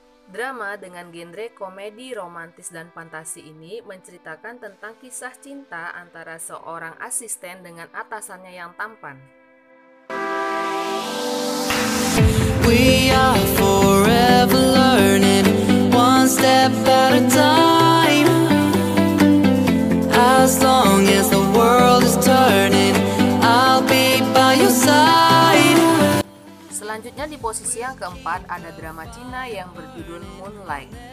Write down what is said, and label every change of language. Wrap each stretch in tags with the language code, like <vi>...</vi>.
<id>Drama dengan genre komedi, romantis, dan fantasi ini menceritakan tentang kisah cinta antara seorang asisten dengan atasannya yang tampan.</id> <en>We are forever learning, one step at a time. As long as the world is turning, I'll be by your side.</en> <id>Selanjutnya di posisi yang keempat ada drama Cina yang berjudul Moonlight.</id>